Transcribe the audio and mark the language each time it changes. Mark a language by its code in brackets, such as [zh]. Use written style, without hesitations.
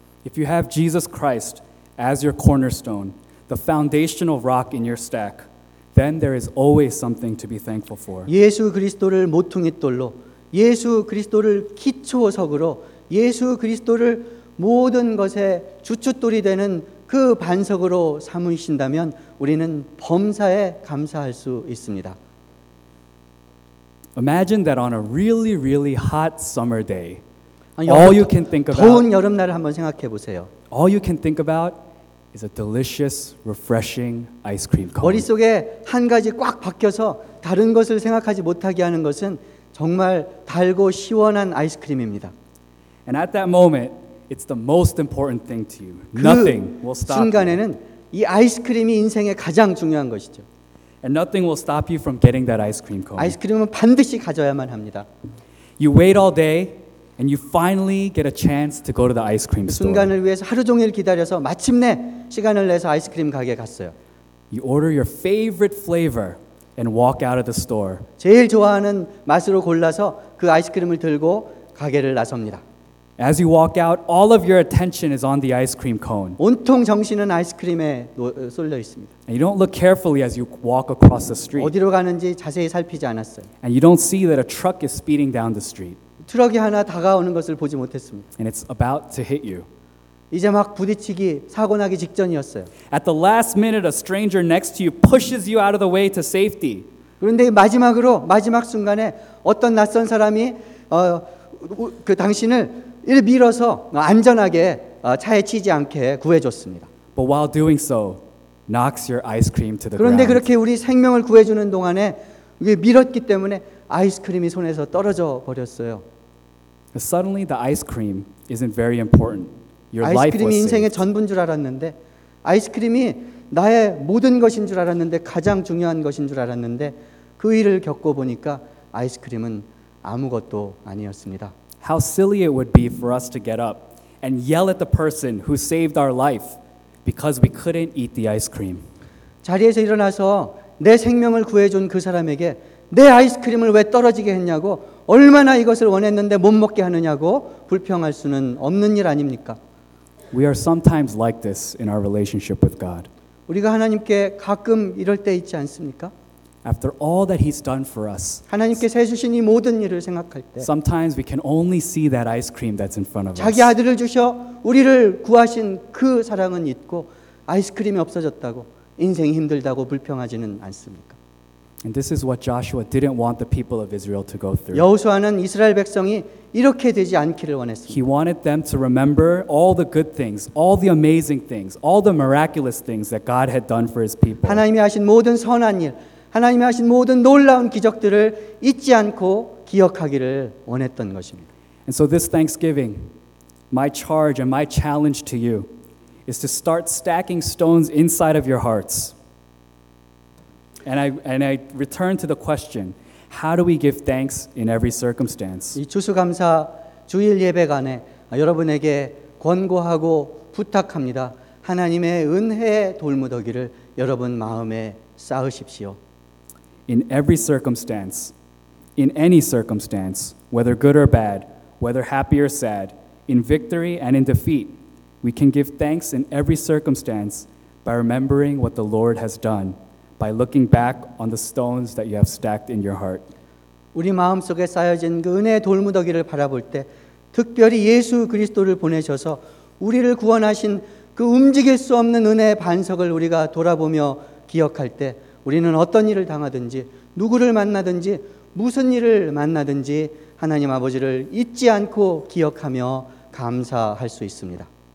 [en] If you have Jesus Christ as your cornerstone, the foundational rock in your stack, then there is always something to be thankful for. [ko] 예수 그리스도를 모퉁잇돌로 예수 그리스도를 기초석으로 예수 그리스도를 모든 것의 주춧돌이 되는 그 반석으로 삼으신다면 우리는 범사에 감사할 수 있습니다. [en] Imagine that on a really, really hot summer day, all you can think about [ko] 더운 여름날을 한번 생각해 보세요. [en] All you can think about is a delicious, refreshing ice cream cone. [ko] 머릿속에 한 가지 꽉 박혀서 다른 것을 생각하지 못하게 하는 것은 정말 달고 시원한 아이스크림입니다. [en] And at that moment, it's the most important thing to you. Nothing will stop you. [ko] 순간에는 이 아이스크림이 인생에 가장 중요한 것이죠. [en] And nothing will stop you from getting that ice cream cone. [ko] 아이스크림은 반드시 가져야만 합니다. [en] You wait all day, and you finally get a chance to go to the ice cream store. [ko] 순간을 위해서 하루 종일 기다려서 마침내 시간을 내서 아이스크림 가게 갔어요. [en] You order your favorite flavor and walk out of the store. [ko] 제일 좋아하는 맛으로 골라서 그 아이스크림을 들고 가게를 나섭니다. [en] As you walk out, all of your attention is on the ice cream cone. [ko] 온통 정신은 아이스크림에 쏠려 있습니다. [en] And you don't look carefully as you walk across the street. [ko] 어디로 가는지 자세히 살피지 않았어요. [en] And you don't see that a truck is speeding down the street. [ko] 트럭이 하나 다가오는 것을 보지 못했습니다. [en] And it's about to hit you. [ko] 이제 막 부딪히기 사고 나기 직전이었어요. [en] At the last minute, a stranger next to you pushes you out of the way to safety. [ko] 그런데 마지막 순간에 어떤 낯선 사람이 그 당신을 이를 밀어서 안전하게 차에 치지 않게 구해줬습니다. [en] But while doing so, knocks your ice cream to the ground. [ko] 그런데 그렇게 우리 생명을 구해주는 동안에 밀었기 때문에 아이스크림이 손에서 떨어져 버렸어요. [en] Suddenly, the ice cream isn't very important. Your life was. [ko] 아이스크림이 인생의 전부인 줄 알았는데, 아이스크림이 나의 모든 것인 줄 알았는데 가장 중요한 것인 줄 알았는데 그 일을 겪고 보니까 아이스크림은 아무것도 아니었습니다. [en] How silly it would be for us to get up and yell at the person who saved our life because we couldn't eat the ice cream. [ko] 자리에서 일어나서 내 생명을 구해준 그 사람에게 내 아이스크림을 왜 떨어지게 했냐고 얼마나 이것을 원했는데 못 먹게 하느냐고 불평할 수는 없는 일 아닙니까? [en] We are sometimes like this in our relationship with God. [ko] 우리가 하나님께 가끔 이럴 때 있지 않습니까? [en] After all that he's done for us. [ko] 하나님께서 해주신 이 모든 일을 생각할 때 [en] Sometimes we can only see that ice cream that's in front of us. [ko] 자기 아들을 주셔 우리를 구하신 그 사랑은 잊고 아이스크림이 없어졌다고 인생이 힘들다고 불평하지는 않습니까? [en] And this is what Joshua didn't want the people of Israel to go through. [ko] 여호수아는 이스라엘 백성이 이렇게 되지 않기를 원했습니다. [en] He wanted them to remember all the good things, all the amazing things, all the miraculous things that God had done for his people. [ko] 하나님이 하신 모든 선한 일, 하나님이 하신 모든 놀라운 기적들을 잊지 않고 기억하기를 원했던 것입니다. [en] And so this Thanksgiving, my charge and my challenge to you is to start stacking stones inside of your hearts. And I return to the question, how do we give thanks in every circumstance? [ko] 이 추수감사 주일 예배관에 여러분에게 권고하고 부탁합니다. 하나님의 은혜의 돌무더기를 여러분 마음에 쌓으십시오. [en] In every circumstance, in any circumstance, whether good or bad, whether happy or sad, in victory and in defeat, we can give thanks in every circumstance by remembering what the Lord has done. By looking back on the stones that you have stacked in your heart. [ko] 우리 마음속에 쌓여진 그 은혜의 돌무더기를 바라볼 때 특별히 예수 그리스도를 보내셔서 우리를 구원하신 그 움직일 수 없는 은혜의 반석을 우리가 돌아보며 기억할 때 우리는 어떤 일을 당하든지 누구를 만나든지 무슨 일을 만나든지 하나님 아버지를 잊지 않고 기억하며 감사할 수 있습니다.